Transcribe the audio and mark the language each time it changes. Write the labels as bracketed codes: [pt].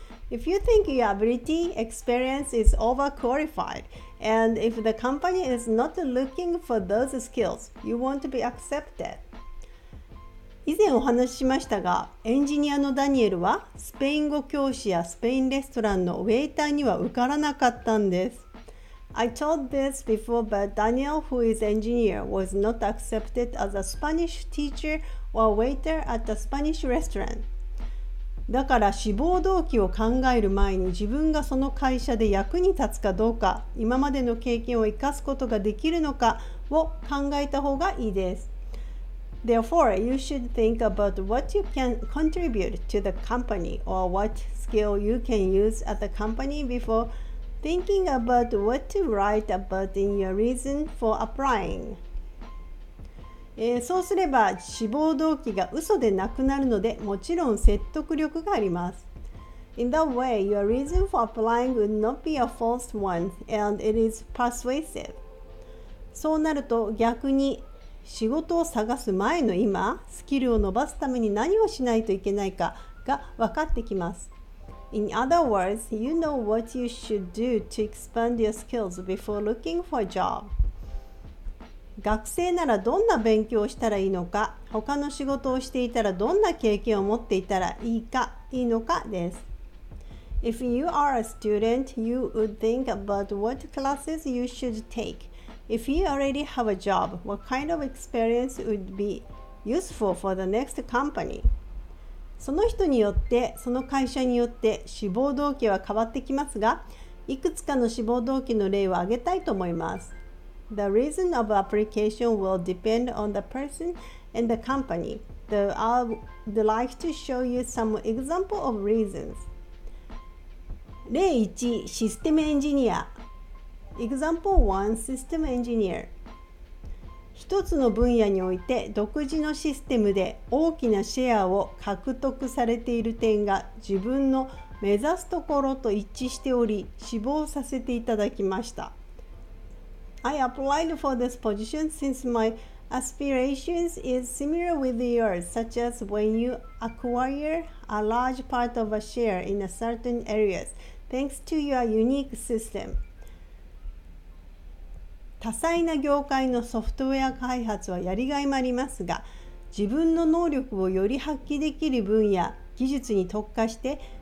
[en] If you think your ability, experience is overqualified, and if the company is not looking for those skills, you won't be accepted. [ja] 以前お話ししましたが、エンジニアのダニエルはスペイン語教師やスペインレストランのウェイターには受からなかったんです。 [en] I told this before, but Daniel, who is engineer, was not accepted as a Spanish teacher or waiter at a Spanish restaurant. [ja] だから志望動機を考える前に、自分がその会社で役に立つかどうか、今までの経験を生かすことができるのかを考えた方がいいです。 [en] Therefore, you should think about what you can contribute to the company or what skill you can use at the company before thinking about what to write about in your reason for applying. [ja] そうすれば志望動機が嘘でなくなるので、もちろん説得力があります。 [en] In that way, your reason for applying would not be a false one and it is persuasive. [ja] そうなると、逆に仕事を探す前の今、スキルを伸ばすために何をしないといけないかが分かってきます。 [en] In other words, you know what you should do to expand your skills before looking for a job. [ja] 学生ならどんな勉強をしたらいいのか、他の仕事をしていたらどんな経験を持っていたらいいのかです。 [en] If you are a student, you would think about what classes you should take. If you already have a job, what kind of experience would be useful for the next company? [ja] その人によって、その会社によって志望動機は変わってきますが、いくつかの志望動機の例を挙げたいと思います。 [en] The reason of application will depend on the person and the company, though I would like to show you some examples of reasons. [ja] 例1、システムエンジニア。 [en] Example 1, system engineer. [ja] 一つの分野において独自のシステムで大きなシェアを獲得されている点が自分の目指すところと一致しており、志望させていただきました。 [en] I applied for this position since my aspirations is similar with yours, such as when you acquire a large part of a share in a certain areas, thanks to your unique system. [ja] 多彩な業界のソフトウェア開発はやりがいもありますが、自分の能力をより発揮できる分野、技術に特化して、